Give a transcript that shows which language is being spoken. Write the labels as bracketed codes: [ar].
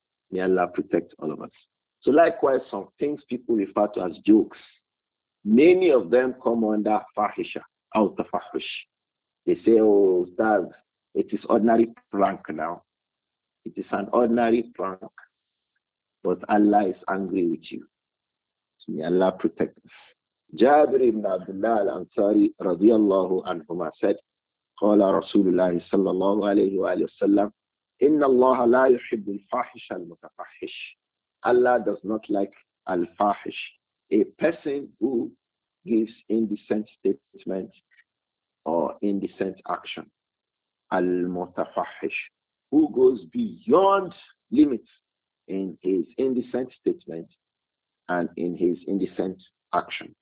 [en] May Allah protect all of us. So likewise, some things people refer to as jokes, many of them come under fahisha, out of fahish. They say, oh, Ustaz, it is ordinary prank now. It is an ordinary prank. But Allah is angry with you. So may Allah protect us. Jabir ibn Abdullah al-Ansari radiyallahu anhuma said, [ar] قال رسول الله صلى الله عليه وآله وسلم إن الله لا يحب الفاحش المتفحش. [en] Allah does not like al-fahish, a person who gives indecent statement or indecent action. Al-mutafahish, who goes beyond limits in his indecent statement and in his indecent action.